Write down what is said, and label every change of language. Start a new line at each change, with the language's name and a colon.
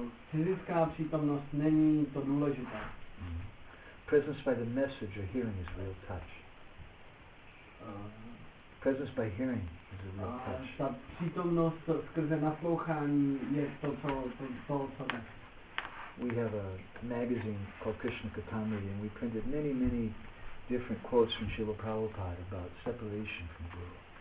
Czech: Fyzická přítomnost není to důležité.
English: Presence by the messenger hearing is real touch. Presence by hearing is a real touch.
Czech: Ta přítomnost skrze naslouchání je to, co to.
English: We have a magazine called Krishna Kathamrita and we printed many, many different quotes from Srila Prabhupada about separation from Guru.